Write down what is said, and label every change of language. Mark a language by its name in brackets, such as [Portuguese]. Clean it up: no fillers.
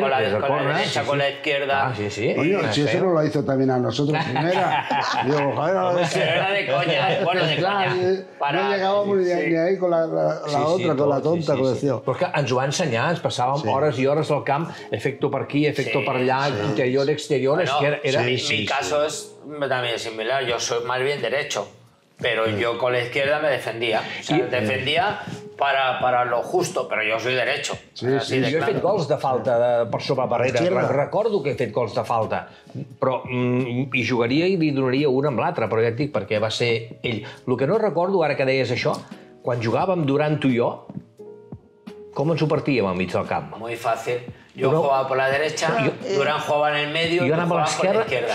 [Spanish] con la derecha, con la izquierda. Sí, eso no lo hizo también a nosotros primera. Era de coña. No llegábamos ni ahí con la otra, con la tonta. [Catalan] Perquè ens ho va ensenyar, ens passàvem hores i hores al camp, efecto per aquí, efecto per allà, interior, exterior. [Spanish] Mi caso es también similar, yo soy más bien derecho, pero yo con la izquierda me defendía. O sea, defendía para lo justo, pero yo soy derecho. [Catalan] Jo he fet gols de falta per sobre barrera, recordo que he fet gols de falta, però hi jugaria i li donaria una amb l'altra, però ja et dic, perquè va ser ell. El que no recordo, ara que deies això, quan jugàvem durant tu i jo, com ens ho partíem al mig del camp? [Spanish] Muy fácil. Yo jugaba por la derecha, Durán jugaba en el medio y jugaba por la izquierda.